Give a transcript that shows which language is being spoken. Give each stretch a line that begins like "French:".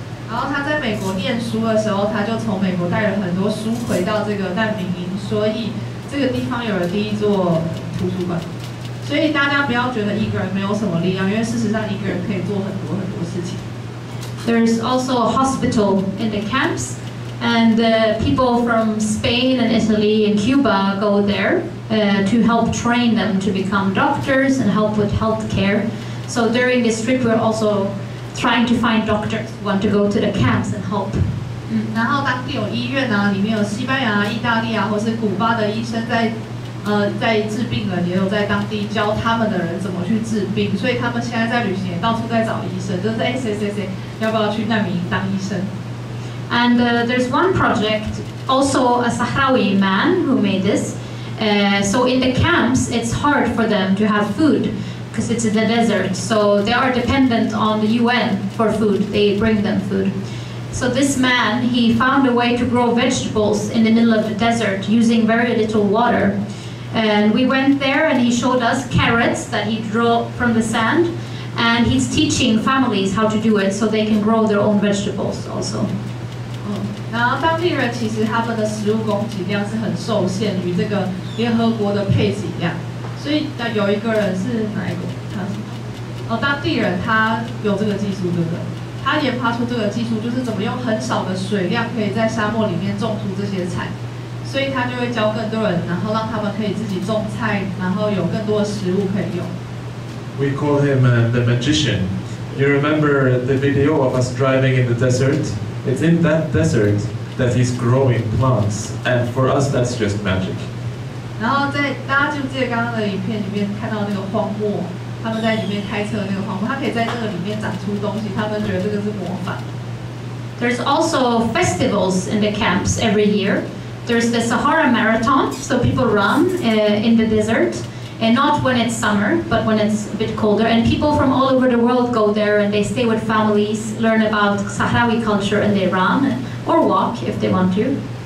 Chinese: 然后他在美国念书的时候，他就从美国带了很多书回到这个难民营，所以这个地方有了第一座图书馆。所以大家不要觉得一个人没有什么力量，因为事实上一个人可以做很多很多事情。
English: There's also a hospital in the camps, and the people from Spain and Italy and Cuba go there to help train them to become doctors and help with healthcare. So during this trip, we're also trying to find doctors who want to go to the camps and help.
Chinese: 然后当地有医院啊，里面有西班牙、意大利啊，或是古巴的医生在治病人，也有在当地教他们的人怎么去治病。所以他们现在在旅行，也到处在找医生，就是谁，要不要去难民营当医生
English: ？And there's one project, also a Sahrawi man who made this. So in the camps, it's hard for them to have food. Because it's in the desert, so they are dependent on the UN for food. They bring them food. So this man, he found a way to grow vegetables in the middle of the desert using very little water. And we went there and he showed us carrots that he drew from the sand. And he's teaching families how to do it so they can grow their own vegetables also.
Chinese: 然后当地人其实他们的食物供给量是很受限于这个联合国的配给量，所以有一个人是哪一个？他什么？哦，当地人他有这个技术，对不对？他研发出这个技术，就是怎么用很少的水量可以在沙漠里面种出这些菜，所以他就会教更多人，然后让他们可以自己种菜，然后有更多的食物可以用。
English: We call him the magician. You remember the video of us driving in the desert? It's in that desert that he's growing plants, and for us, that's just magic.
Chinese: 然后在大家记不记得刚刚的影片里面看到那个荒漠，他们在里面开车的那个荒漠，他可以在那个里面长出东西，他们觉得这个是魔法。
English: There's also festivals in the camps every year. There's the Sahara Marathon, so people run in the desert, and not when it's summer, but when it's a bit colder. And people from all over the world go there and they stay with families, learn about Sahrawi culture, and they run or walk if they want to.